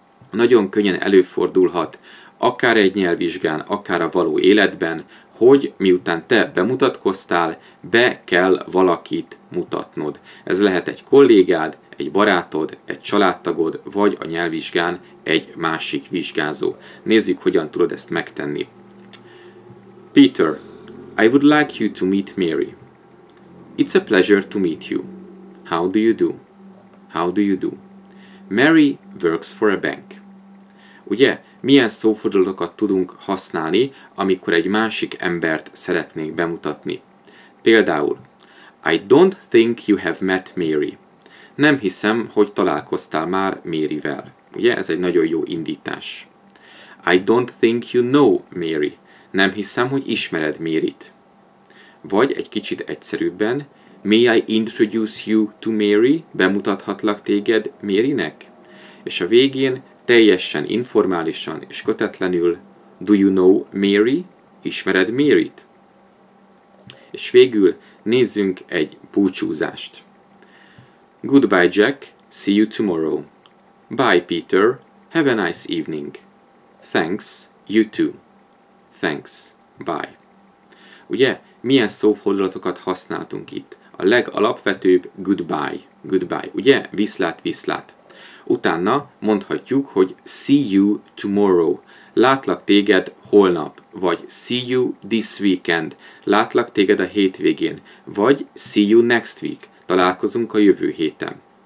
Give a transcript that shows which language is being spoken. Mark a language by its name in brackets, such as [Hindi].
[Hungarian] Nagyon könnyen előfordulhat, akár egy nyelvvizsgán, akár a való életben, hogy miután te bemutatkoztál, be kell valakit mutatnod. Ez lehet egy kollégád, egy barátod, egy családtagod, vagy a nyelvvizsgán egy másik vizsgázó. Nézzük, hogyan tudod ezt megtenni. [English] Peter, I would like you to meet Mary. It's a pleasure to meet you. How do you do? How do you do? Mary works for a bank. [Hungarian] Ugye, milyen szófordulatokat tudunk használni, amikor egy másik embert szeretnénk bemutatni. [English] Például, I don't think you have met Mary. [Hungarian] Nem hiszem, hogy találkoztál már Maryvel. Ugye, ez egy nagyon jó indítás. [English] I don't think you know Mary. [Hungarian] Nem hiszem, hogy ismered Maryt. Vagy egy kicsit egyszerűbben, [English] may I introduce you to Mary? [Hungarian] Bemutathatlak téged Marynek? És a végén, teljesen informálisan és kötetlenül, [English] do you know Mary? [Hungarian] Ismered Maryt? És végül nézzünk egy búcsúzást. [English] Goodbye Jack, see you tomorrow. Bye Peter, have a nice evening. Thanks, you too. Thanks, bye. [Hungarian] Ugye, milyen szófordulatokat használtunk itt? A legalapvetőbb goodbye. Goodbye, ugye? Viszlát, viszlát. Utána mondhatjuk, hogy [English] see you tomorrow, [Hungarian] látlak téged holnap, vagy [English] see you this weekend, [Hungarian] látlak téged a hétvégén, vagy [English] see you next week, [Hungarian] találkozunk a jövő héten.